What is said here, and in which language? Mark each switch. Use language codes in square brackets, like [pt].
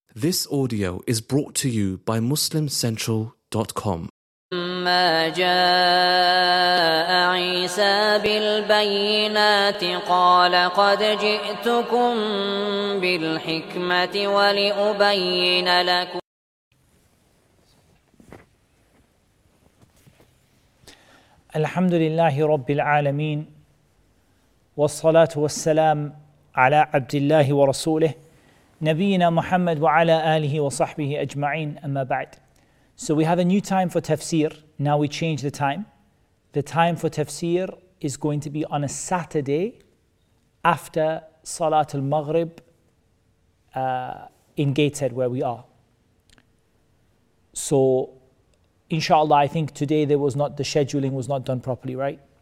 [en] This audio is brought to you by MuslimCentral.com. [ar] ما جاء عيسى بالبينات قال قد جئتكم بالحكمة ولأبين لكم. الحمد لله رب العالمين والصلاة والسلام على عبد الله ورسوله نبينا محمد وعلى آله وصحبه أجمعين أما بعد. [en] So we have a new time for tafsir. Now we change the time. The time for tafsir is going to be on a Saturday after Salat al-Maghrib in Gateshead where we are. So inshallah, I think today there was not, the scheduling was not done properly, right?